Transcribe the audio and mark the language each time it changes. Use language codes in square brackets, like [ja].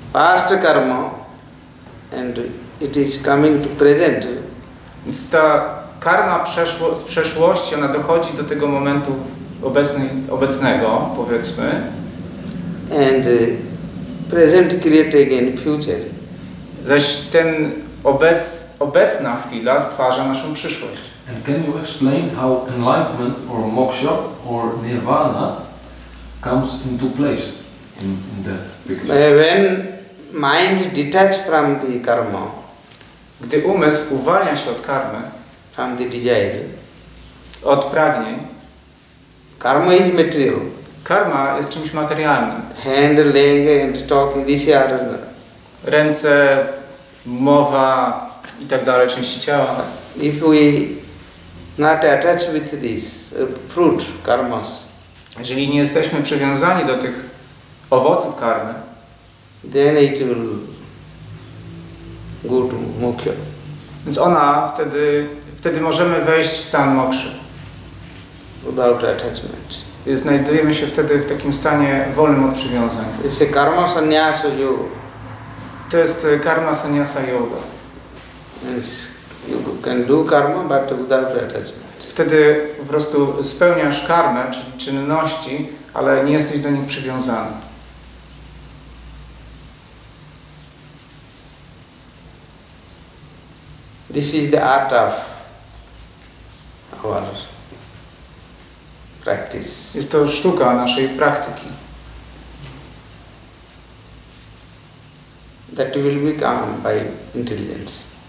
[en] Past karma, and it is coming to present. [pl] Więc ta karma z przeszłości, ona dochodzi do tego momentu obecnego, powiedzmy. [en] And present create again future. [pl] Zaś ten obecna chwila stwarza naszą przyszłość. [en] And can you explain how enlightenment or moksha or nirvana comes into place in that picture? When mind detached from the karma, [pl] gdy umysł uwalnia się od karmy, [en] from the desire, [pl] od pragnień, [en] karma is material. [pl] Karma jest czymś materialnym. [en] Hand, leg and talking, this are the... [pl] Ręce, mowa i tak dalej, części ciała. [en] If we not attach with this fruit, karmas, [pl] jeżeli nie jesteśmy przywiązani do tych owoców karmy, [en] then it will go to moksha. [pl] Więc ona wtedy możemy wejść w stan mokszy. [en] Without attachment. [pl] I znajdujemy się wtedy w takim stanie wolnym od przywiązań. Jest karma sannyasa yoga. To jest karma sannyasa yoga. [en] Yes, you can do karma, but without attachment. [pl] Wtedy po prostu spełniasz karmę, czyli czynności, ale nie jesteś do nich przywiązany. [en] This is the art of our practice. [pl] Jest to sztuka naszej praktyki. [en] That will become by intelligence.